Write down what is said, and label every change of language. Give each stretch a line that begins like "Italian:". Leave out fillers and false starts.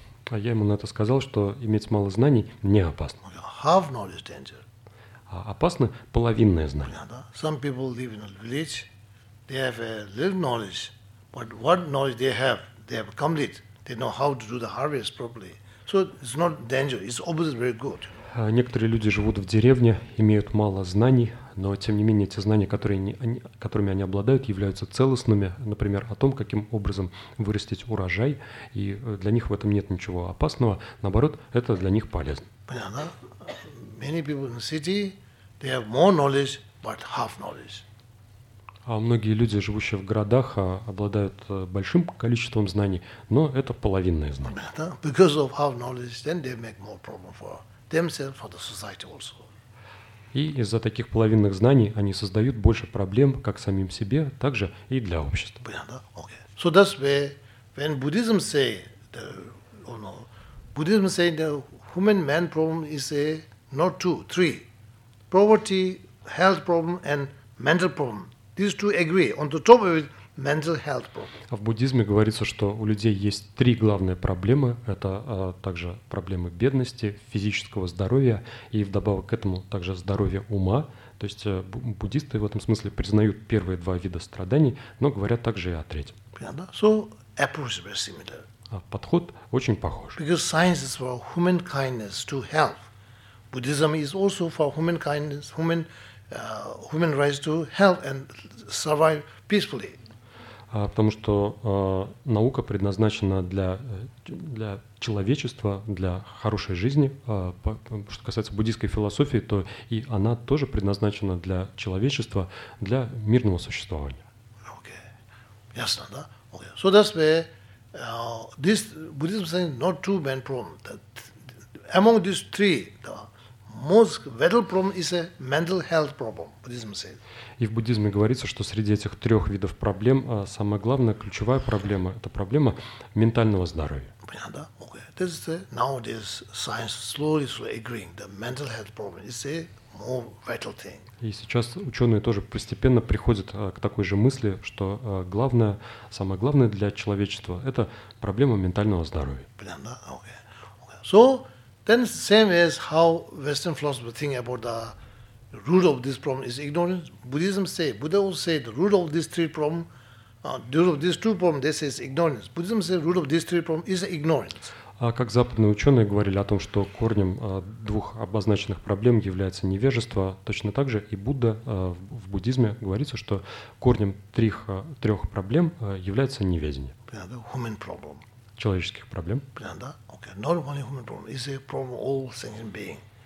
Russian: А я ему на это сказал, что иметь мало знаний не опасно.
English: Half knowledge danger.
Russian: А опасно половинное знание.
English: Some people live in a village, they have a little knowledge, but what knowledge they have complete. They know how to do the harvest properly. So it's not dangerous. It's obviously very good.
Russian: Некоторые люди живут в деревне, имеют мало знаний, но тем не менее те знания, которыми они обладают, являются целостными. Например, о том, каким образом вырастить урожай, и для них в этом нет ничего опасного. Наоборот, это для них полезно. Понятно.
English: Many people in the city, they have more knowledge, but half knowledge.
Russian: А многие люди, живущие в городах, обладают большим количеством знаний, но это половинное знание.
English: Because of half knowledge, then they make more problem for themselves, for the society also.
Russian: И из-за таких половинных знаний они создают больше проблем как самим себе, так же и для общества. Понятно? Okay.
English: So that's where, when Buddhism say, the, oh no, Buddhism say the human man problem is a, not two, three. Poverty, health problem and mental problem. These two agree. On the top of it, mental health problem.
Russian: А в буддизме говорится, что у людей есть три главные проблемы. Это также проблемы бедности, физического здоровья и вдобавок к этому также здоровье ума. То есть буддисты в этом смысле признают первые два вида страданий, но говорят также и о третьем. Понятно?
English: So approach very similar.
Russian: А подход очень похож.
English: Because science is for human kindness to health. Buddhism is also for human kindness, human human rights to health and survive peacefully.
Russian: Потому что наука предназначена для человечества, для хорошей жизни. Что касается буддийской философии, то и она тоже предназначена для человечества, для мирного существования. Okay. Ясно, да? Okay.
English: So that's where this Buddhism says not two main problems. Among these three, the most vital problem is a mental health problem, Buddhism says.
Russian: И в буддизме говорится, что среди этих трех видов проблем самая главная, ключевая проблема – это проблема ментального здоровья. Понятно? Okay.
English: This is the, nowadays science slowly, slowly agreeing that mental health problem is a more vital thing.
Russian: И сейчас ученые тоже постепенно приходят к такой же мысли, что главное, самое главное для человечества – это проблема ментального здоровья. Понятно? Okay. Okay.
English: So, then same as how Western philosophers think about the root of this problem is ignorance. Buddhism say, Buddha will say the root of these three problem, the root of these two problems, they say is ignorance. Buddhism say root of these three problems is ignorance.
Russian: А как западные ученые говорили о том, что корнем двух обозначенных проблем является невежество, точно так же и Будда в буддизме говорится, что корнем трех проблем является неведение. Понятно?
English: Human problem.
Russian: Человеческих проблем. Понятно?
English: Not only human problem, it's a problem of all sentient being.